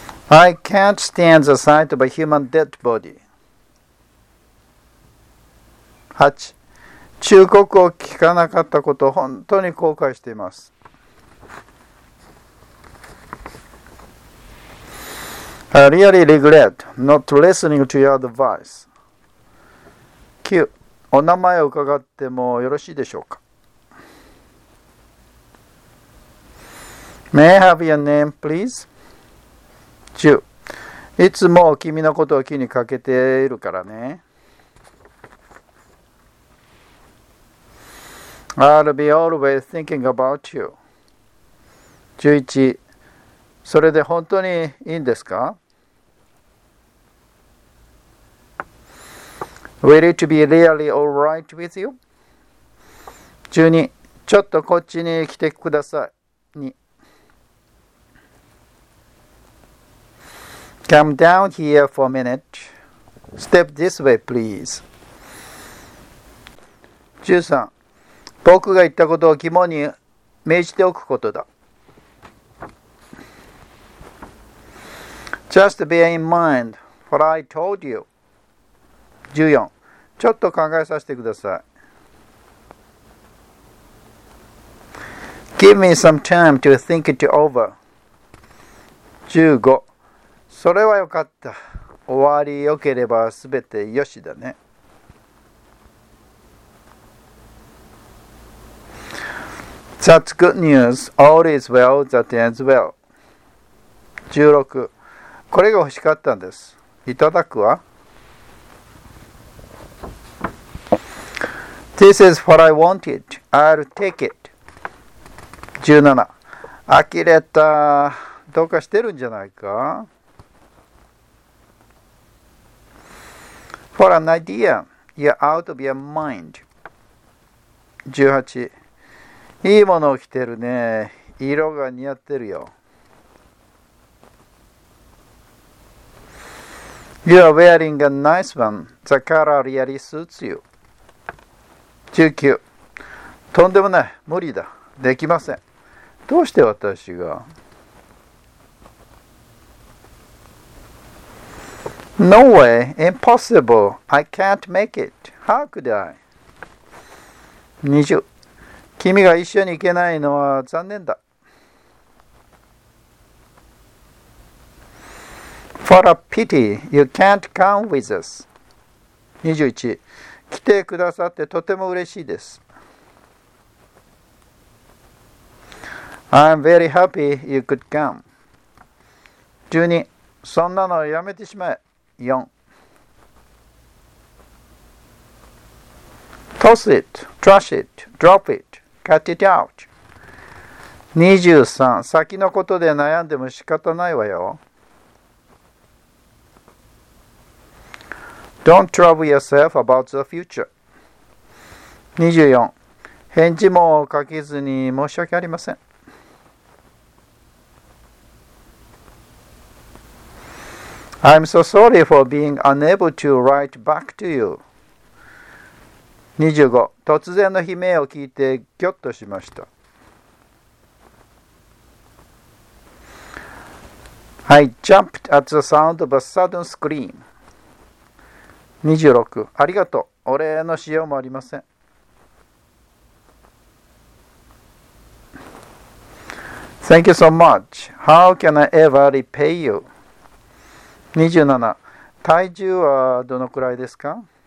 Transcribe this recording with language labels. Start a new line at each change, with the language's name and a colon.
English: I can't stand the sight of a human dead body. 8.
Japanese: 忠告を聞かなかったことを本当に後悔しています。
English: I really regret not listening to your advice. 9.
Japanese: お名前を伺ってもよろしいでしょうか。
English: May I have your name, please? 10.
Japanese: いつも君のことを気にかけているからね。
English: I'll be always thinking about you. 11.
Japanese: それで本当にいいんですか?
English: Will it be really all right with you? 12.
Japanese: ちょっとこっちに来てください。
English: 2. Come down here for a minute. Step this way, please. 13.
Japanese: 僕が言ったことを肝に銘じておくことだ。
English: Just bear in mind what I told you. 14.
Japanese: ちょっと考えさせてください。
English: Give me some time to think it over.
Japanese: 15. それはよかった。終わりよければすべてよしだね。
English: That's good news. All is well that ends well. 16.
Japanese: これが欲しかったんです。いただくわ。
English: This is what I wanted. I'll take it. 17.
Japanese: 呆れた。どうかしてるんじゃないか。
English: For an idea, you're out of your mind.
Japanese: 18. いいものを着てるね。色が似合ってるよ。
English: You are wearing a nice one. The color really suits you. 19.
Japanese: とんでもない。無理だ。できません。どうして私が?
English: No way. Impossible. I can't make it. How could I? 20.
Japanese: 君が一緒に行けないのは残念だ。
English: For a pity, you can't come with us. 21.
Japanese: 来てくださってとても嬉しいです。
English: I'm very happy you could come. 12.
Japanese: そんなのやめてしまえ。
English: 4. Toss it, trash it, drop it. Cut it out. 23.
Japanese: 先のことで悩んでも仕方ないわよ。
English: Don't trouble yourself about the future. 24.
Japanese: 返事も書けずに申し訳ありません。
English: I'm so sorry for being unable to write back to you.
Japanese: 25、突然の悲鳴を聞いてギョッとしました。
English: I jumped at the sound of a sudden scream.
Japanese: 26、ありがとう。お礼のしようもありません。
English: Thank you so much. How can I ever repay you?
Japanese: 27、体重はどのくらいですか？